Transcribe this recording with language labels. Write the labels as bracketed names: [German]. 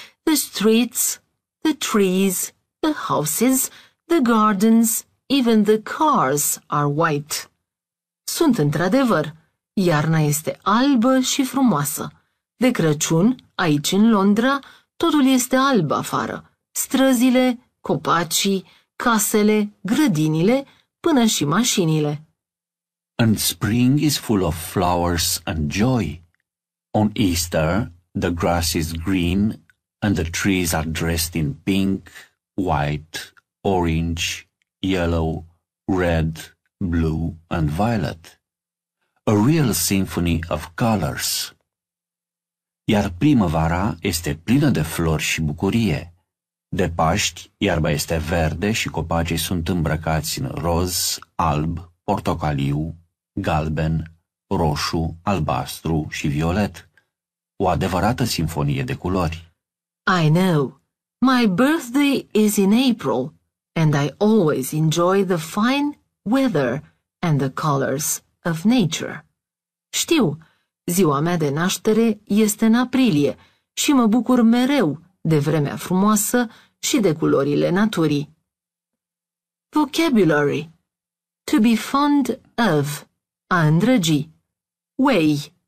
[English] The streets, the trees, the houses, the gardens, even the cars are white. [Romanian] Sunt într-adevăr. Iarna este albă și frumoasă. De Crăciun, aici în Londra, totul este alb afară. Străzile, copacii, casele, grădinile, până și mașinile. [English] And spring is full of flowers and joy. On Easter, the grass is green and the trees are dressed in pink, white, orange, yellow, red, blue and violet. A real symphony of colors. [Romanian] Iar primăvara este plină de flori și bucurie. De Paști, iarba este verde și copacii sunt îmbrăcați în roz, alb, portocaliu, galben, roșu, albastru și violet. O adevărată simfonie de culori. [English] I know. My birthday is in April and I always enjoy the fine weather and the colors of nature. [Romanian] Știu, ziua mea de naștere este în aprilie și mă bucur mereu de vremea frumoasă și de culorile naturii. [English] Vocabulary. To be fond of. [Romanian] A îndrăgi. [English] Way.